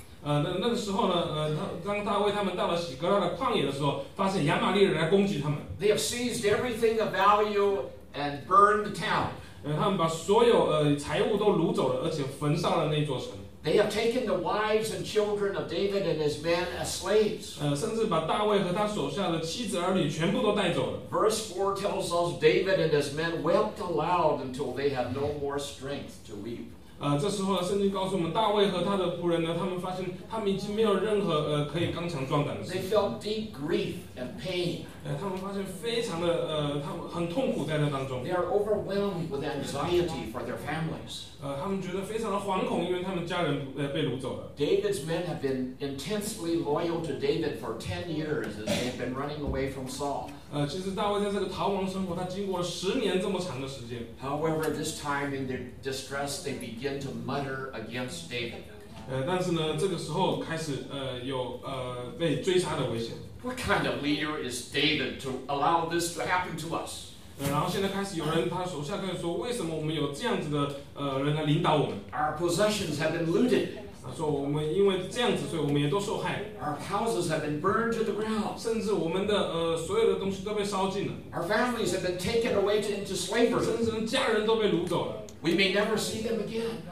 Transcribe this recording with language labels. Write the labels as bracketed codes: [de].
[zh] 那个时候呢，当大卫他们到了喜格拉的旷野的时候，发现亚玛力人来攻击他们。 [en] They have seized everything of value and burned the town. [zh] 他们把所有财物都掳走了，而且焚上了那座城。 [en] They have taken the wives and children of David and his men as slaves. [zh] 甚至把大卫和他手下的妻子儿女全部都带走了。 [en] Verse 4 tells us David and his men wept aloud until they had no more strength to weep. [zh] 这时候圣经告诉我们，大卫和他的仆人呢，他们发现他们已经没有任何可以刚强壮胆的。 [en] They felt deep grief and pain. [zh] 他们发现非常的他们很痛苦在那当中。 [en] They are overwhelmed with anxiety for their families. [zh] 他们觉得非常的惶恐，因为他们家人被掳走了。 [en] David's men have been intensely loyal to David for 10 years as they've been running away from Saul. [zh] 其实大卫在这个逃亡生活，他经过了10年这么长的时间。 [en] However, this time in their distress, they begin to mutter against David. [zh] 但是呢，这个时候开始被追杀的危险。 [en] What kind of leader is David to allow this to happen to us? [zh] 然后现在开始有人他手下开始说，为什么我们有这样子的人来领导我们？ [en] Our possessions have been looted. [zh] 他说我们因为这样子，所以我们也都受害。 [en] Our houses have been burned to the ground. [zh] 甚至我们的所有的东西都被烧尽了。 [en] Our families have been taken away into slavery. [zh] 甚至家人都被掳走了。 [en] We may never see them again.